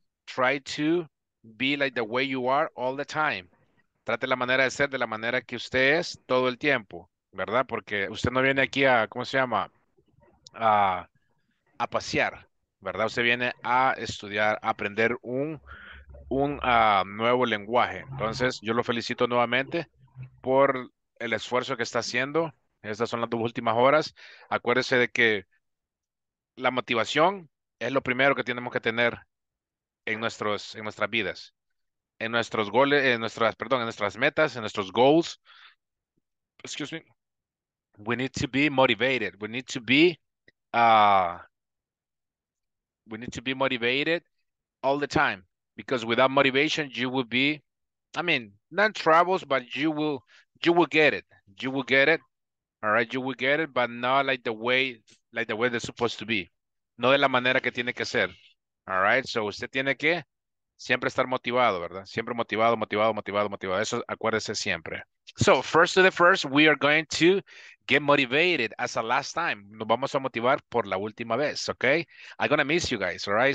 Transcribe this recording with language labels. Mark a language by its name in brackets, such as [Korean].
[English] Try to be like the way you are all the time. [Spanish] Trate la manera de ser de la manera que usted es todo el tiempo, ¿verdad? Porque usted no viene aquí a, ¿cómo se llama? A pasear. ¿Verdad? Usted viene a estudiar, a aprender un nuevo lenguaje. Entonces, yo lo felicito nuevamente por el esfuerzo que está haciendo. Estas son las dos últimas horas. Acuérdese de que la motivación es lo primero que tenemos que tener en nuestros, en nuestras vidas, en nuestros goles, en nuestras, perdón, en nuestras metas, en nuestros goals. [English] Excuse me. We need to be motivated. We need to be we need to be motivated all the time, because without motivation, you will be, not troubles, but you will get it. You will get it. All right. You will get it, but not like the way they're supposed to be. [Spanish] No de la manera que tiene que ser. All right. So usted tiene que siempre estar motivado, ¿verdad? Siempre motivado, motivado, motivado, motivado. Eso acuérdese siempre. [English] So first to the first, we are going to get motivated as a last time. [Spanish] Nos vamos a motivar por la última vez, okay? [English] I'm gonna miss you guys, all right?